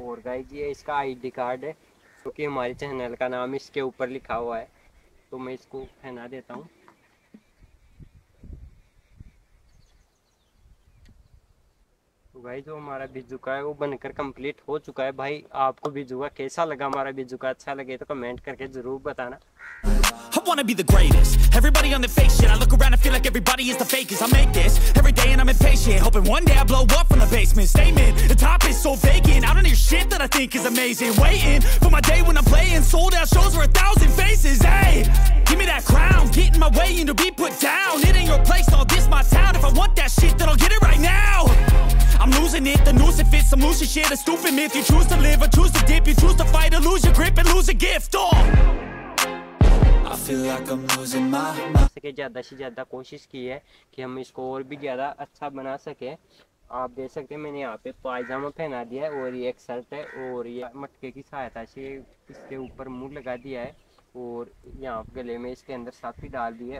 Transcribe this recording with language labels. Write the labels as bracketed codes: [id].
[hi] और गाइस ये इसका आईडी कार्ड है, क्योंकि तो हमारे चैनल का नाम इसके ऊपर लिखा हुआ है, तो मैं इसको पहना देता हूँ। भाई जो हमारा बिजू का है वो बनकर कंप्लीट हो चुका है। भाई आपको बिजू का कैसा लगा? हमारा बिजू का अच्छा लगे तो कमेंट करके जरूर बताना। [en] I wanna be the greatest. Everybody on the fake shit. I look around and feel like everybody is the fakest. I make this every day and I'm impatient. Hoping one day I blow up from the basement. Statement, the top is so vacant. I don't hear shit that I think is amazing. Waiting for my day when I'm playing. Sold out shows for 1,000 faces. Hey, give me that crown. Get in my way and you'll be put down. It ain't your place, all this my town. If I want that shit, then I'll get it right now. I'm losing it, the noose it fits some loose shit. A stupid myth, you choose to live or choose to dip. You choose to fight or lose your grip and lose a gift. Oh. [hi] सके ज़्यादा से ज़्यादा कोशिश की है कि हम इसको और भी ज़्यादा अच्छा बना सकें। आप देख सकते हैं मैंने यहाँ पे पायजामा पहना दिया है, और ये एक शर्ट है, और ये मटके की सहायता से इसके ऊपर मुंह लगा दिया है, और यहाँ गले में इसके अंदर साफी डाल दी है।